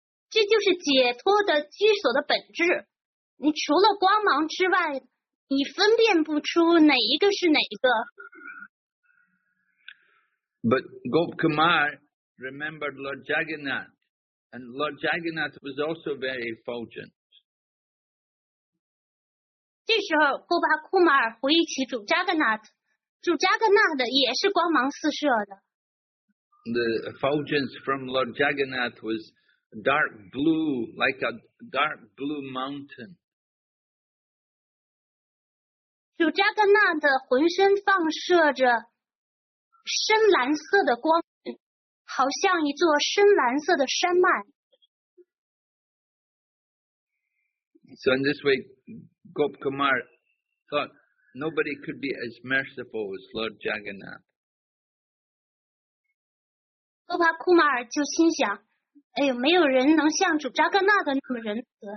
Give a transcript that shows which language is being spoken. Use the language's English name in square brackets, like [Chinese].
[Chinese] 这就是解脱的居所的本质。你除了光芒之外，你分辨不出哪一个是哪一个。 [English] But Gop Kumar remembered Lord Jagannath, and Lord Jagannath was also very effulgent. [Chinese] 这时候，郭巴库马尔回忆起主扎格纳特，主扎格纳特也是光芒四射的。 [English] The effulgence from Lord Jagannath was dark blue, like a dark blue mountain. [Chinese] 主扎格纳特浑身放射着深蓝色的光，好像一座深蓝色的山脉。 [English] So in this way, Gop Kumar thought nobody could be as merciful as Lord Jagannath. [Chinese] Gop Kumar 就心想，哎呦，没有人能像主扎格纳的那么仁慈。